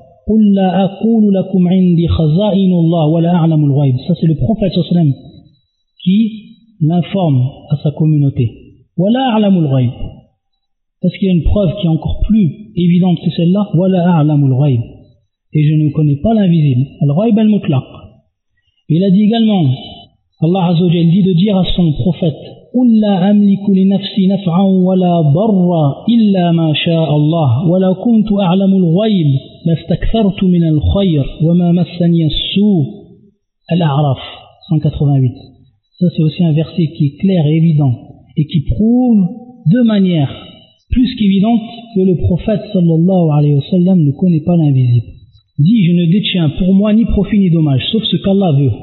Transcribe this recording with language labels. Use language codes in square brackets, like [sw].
[ar] قُلْ لَا أَقُولُ لَكُمْ عِنْدِي خَزَائِنُ اللَّهِ وَلَا أَعْلَمُ الْغَيْبِ. [fr] Ça c'est le prophète sallam qui l'informe à sa communauté. [ar] وَلَا أَعْلَمُ الْغَيْبِ. [fr] Est-ce qu'il y a une preuve qui est encore plus évidente que celle-là? [ar] وَلَا أَعْلَمُ الْغَيْبِ. [fr] Et je ne connais pas l'invisible. [ar] الغيب المطلق. [fr] Il a dit également, Allah Azza wa Jalla dit de dire à son prophète, [ar] قُلْ لَا أَمْلِكُ لِنَفْسِي نَفْعًا وَلَا ضَرًّا إِلَّا مَا شَاءَ اللَّهُ وَلَا كُنْتُ أَعْلَمُ الْغَيْبِ لَاسْتَكْثَرْتُ مِنَ الْخَيْرِ وَمَا مَسَّنِيَ السُّوءُ. الْأَعْرَاف 188. [fr] Ça c'est aussi un verset qui est clair et évident et qui prouve de manière plus qu'évidente que le prophète sallallahu alayhi wa sallam ne connaît pas l'invisible. Dit, je ne détiens pour moi ni profit ni dommage, sauf ce qu'Allah veut.